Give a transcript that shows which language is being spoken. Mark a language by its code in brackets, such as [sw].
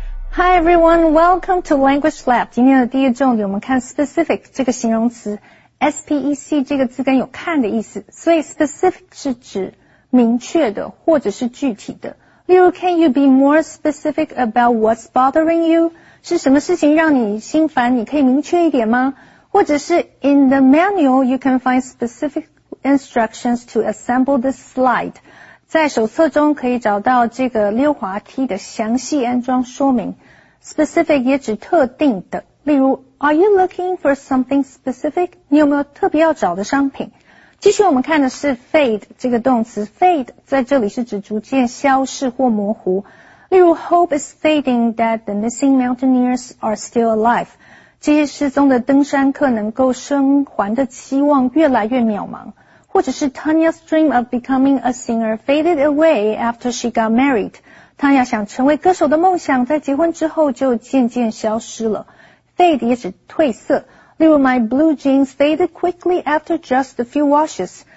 [en] Hi everyone, welcome to Language Lab. [zh] 今天的第一重点我们看 specific 这个形容词 SPEC 这个字根有看的意思，所以 specific 是指明确的或者是具体的。例如 [en] Can you be more specific about what's bothering you? [zh] 是什么事情让你心烦，你可以明确一点吗？或者是 [en] In the manual you can find specific instructions to assemble this slide. [zh] 在手册中可以找到这个溜滑梯的详细安装说明。 [en] Specific [zh] 也指特定的。例如 [en] ,Are you looking for something specific? [zh] 你有没有特别要找的商品？继续我们看的是 fade 这个动词。fade 在这里是指逐渐消逝或模糊。例如 [en] ,Hope is fading that the missing mountaineers are still alive. [zh] 这些失踪的登山客能够生还的期望越来越渺茫。或者是 [en] Tanya's dream of becoming a singer faded away after she got married. [zh] Tanya 想成为歌手的梦想在结婚之后就渐渐消失了。 [en] Fade [zh] 也指褪色。例如 [en] My blue jeans faded quickly after just a few washes.